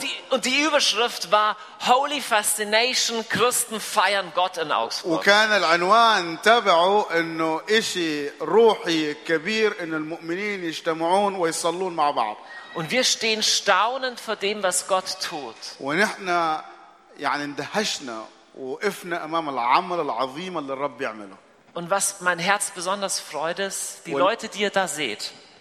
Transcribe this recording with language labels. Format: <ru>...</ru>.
<de>Und die Überschrift war Holy Fascination, Christen feiern Gott in Augsburg.</de> <ar>وكان العنوان تبعه إنه إشي روحي كبير إن المؤمنين يجتمعون ويصلون مع بعض.</ar> <de>Und wir stehen staunend vor dem, was Gott tut.</de> <ar>ونحن يعني اندهشنا وقفنا أمام العمل العظيم اللي الرب يعمله.</ar> <de>Und was mein Herz besonders freut ist, die Leute, die ihr da seht.</de>